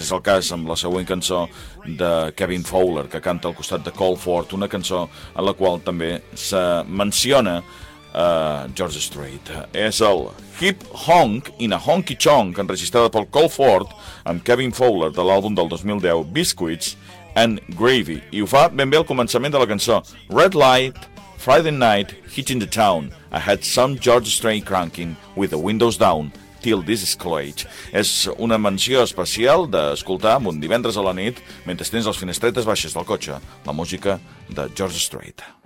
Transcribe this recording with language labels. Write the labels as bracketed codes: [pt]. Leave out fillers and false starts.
[ca] És el cas amb la següent cançó de Kevin Fowler que canta al costat de Cole Ford, una cançó en la qual també se menciona George Strait. És el Hip Honk in a Honky Chonk, enregistrada pel Cole Ford amb Kevin Fowler de l'àlbum del 2010 Biscuits and Gravy, i ho fa ben bé al començament de la cançó. [en] Red light, Friday night, hitting the town. I had some George Strait cranking with the windows down till this is closed. [ca] És una menció especial d'escoltar un divendres a la nit mentre tens les finestretes baixes del cotxe la música de George Strait.